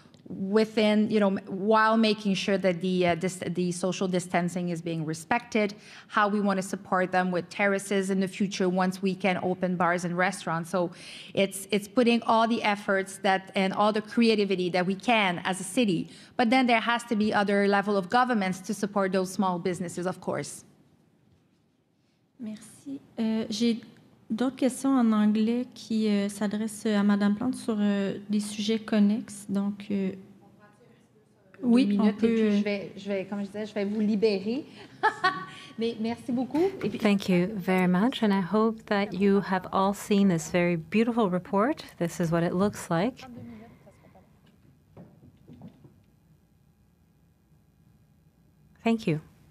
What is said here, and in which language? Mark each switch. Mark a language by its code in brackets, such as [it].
[en] within, you know, while making sure that the social distancing is being respected, how we want to support them with terraces in the future once we can open bars and restaurants. So it's putting all the efforts that and all the creativity that we can as a city. But then there has to be other level of governments to support those small businesses, of course. [fr] Merci. J'ai d'autres questions en anglais qui s'adressent à Madame Plante sur des sujets connexes. Donc, oui, on peut. Et puis je vais, comme je disais, je vais vous libérer. Mais merci beaucoup. Et puis, [en] thank you very much, and I hope that you have all seen this very beautiful report. This is what it looks like. Thank you.